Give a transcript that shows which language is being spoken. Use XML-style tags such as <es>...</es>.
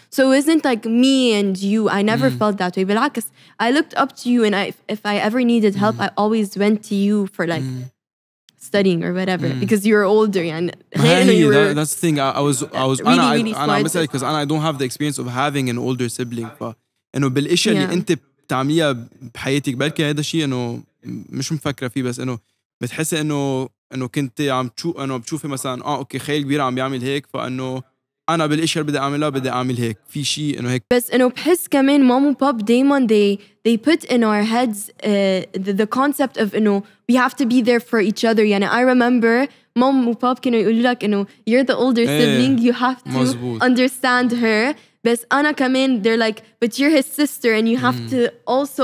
<en>So it isn't like me and you. I never felt that way.</en> <ar>بالعكس,</ar> <en>I looked up to you, and if I ever needed help, I always went to you for like studying or whatever, because you're older. And that's the thing. I was really smart. Because I don't have the experience of having an older sibling. But you know,</en> <ar>بالإشي اللي أنت بتعمليها بحياتك بركي هذا الشيء إنه مش مفكرة فيه, بس إنه بتحس إنه انه كنت عم تشوف انه بتشوفي مثلا اوكي خيل كبير عم بيعمل هيك, فانه انا بالاشياء اللي بدي اعملها بدي اعمل هيك في شيء انه هيك. بس انه بحس كمان مام وباب دايما</ar> <en>they put in our heads the concept of, you know, we have to be there for each other.</en> <ar>يعني</ar> <en>I remember mom</en> <ar>وباب كانوا يقولوا لك انه</ar> <en>you're the older sibling, you have to understand her.</en> <ar>بس انا كمان</ar> <en>they're like, but you're his sister and you have to also</en>